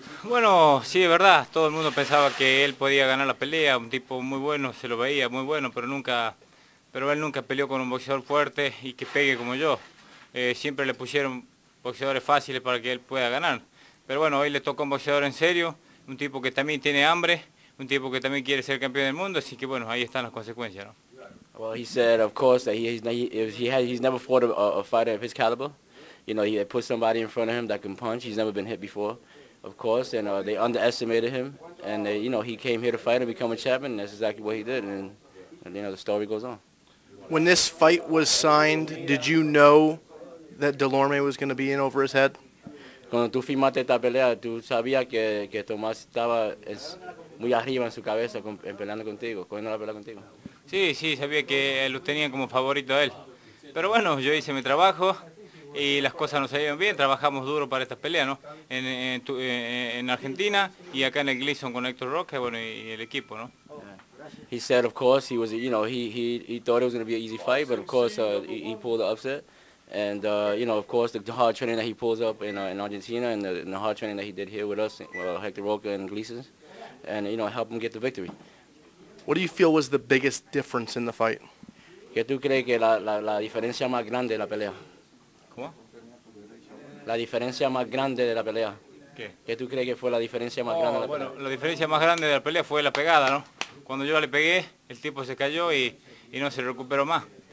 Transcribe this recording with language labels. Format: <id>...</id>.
<es>Bueno, sí, es verdad, todo el mundo pensaba que él podía ganar la pelea, un tipo muy bueno, se lo veía muy bueno, pero él nunca peleó con un boxeador fuerte y que pegue como yo. Siempre le pusieron boxeadores fáciles para que él pueda ganar. Pero bueno, hoy le tocó un boxeador en serio, un tipo que también tiene hambre, un tipo que también quiere ser campeón del mundo, así que bueno, ahí están las consecuencias, ¿no?</es> <en>Well, he said, of course, that he's never fought a fighter of his caliber. You know, he put somebody in front of him that can punch. He's never been hit before, of course. And they underestimated him. And, you know, he came here to fight and become a champion. And that's exactly what he did. And, you know, the story goes on. When this fight was signed, did you know that Delorme was going to be in over his head?</en> <es>Cuando tú firmaste esta pelea, tú sabías que Tomás estaba muy arriba en su cabeza peleando contigo, cogiendo la pelea contigo. Sí, sí, sabía que lo tenían como favorito a él. Pero bueno, yo hice mi trabajo y las cosas nos salieron bien. Trabajamos duro para esta pelea, ¿no? En Argentina y acá en el Gleason con Héctor Roque, bueno, y el equipo, ¿no?</es> <en>He said, of course, he thought it was going to be an easy fight, but of course, he pulled the upset. And, you know, of course, the hard training that he pulls up in Argentina and the hard training that he did here with us, Héctor Roque and Gleason, and, you know, help him get the victory. What do you feel was the biggest difference in the fight?</en> <es>¿Qué tú crees que la diferencia más grande de la pelea? ¿Cómo? La diferencia más grande de la pelea. ¿Qué? ¿Qué tú crees que fue la diferencia más grande de la pelea? Bueno, la diferencia más grande de la pelea fue la pegada, ¿no? Cuando yo le pegué, el tipo se cayó y no se recuperó más.</es>